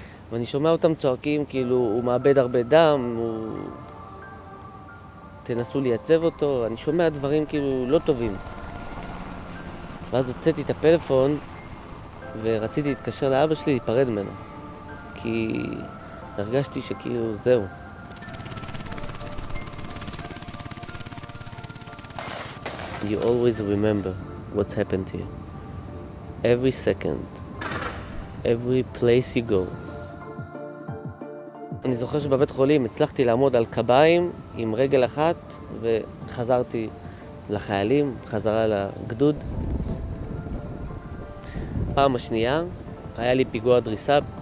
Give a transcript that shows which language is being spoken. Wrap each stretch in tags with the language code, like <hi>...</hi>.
<he>ואני שומע אותם צועקים כאילו הוא מאבד הרבה דם, תנסו לייצב אותו, אני שומע דברים כאילו לא טובים. ואז הוצאתי את הפלאפון ורציתי להתקשר לאבא שלי להיפרד ממנו, כי הרגשתי שכאילו זהו.</he> <en>You always remember what's happened to you. Every second, every place you go.</en> <he>אני זוכר שבבית חולים הצלחתי לעמוד על קביים עם רגל אחת וחזרתי לחיילים, חזרה לגדוד. פעם השנייה היה לי פיגוע דריסה.</he>